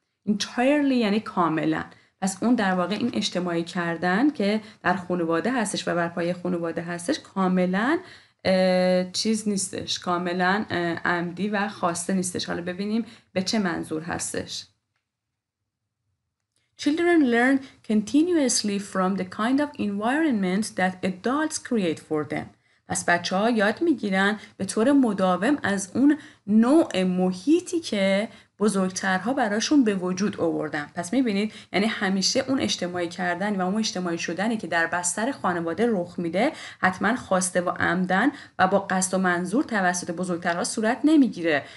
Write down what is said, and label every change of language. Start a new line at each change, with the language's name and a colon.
Persian: entirely یعنی کاملا. پس اون در واقع این اجتماعی کردن که در خانواده هستش و بر پایه خانواده هستش کاملا چیز نیستش، کاملا عمدی و خواسته نیستش. حالا ببینیم به چه منظور هستش.
English: Children learn continuously from the kind of environment that adults create for them.
Persian: پس بچه ها یاد میگیرن به طور مداوم از اون نوع محیطی که بزرگترها براشون به وجود آوردن. پس میبینید یعنی همیشه اون اجتماعی کردن و اون اجتماعی شدنی که در بستر خانواده رخ میده حتما خواسته و عمدن و با قصد و منظور توسط بزرگترها صورت نمیگیره.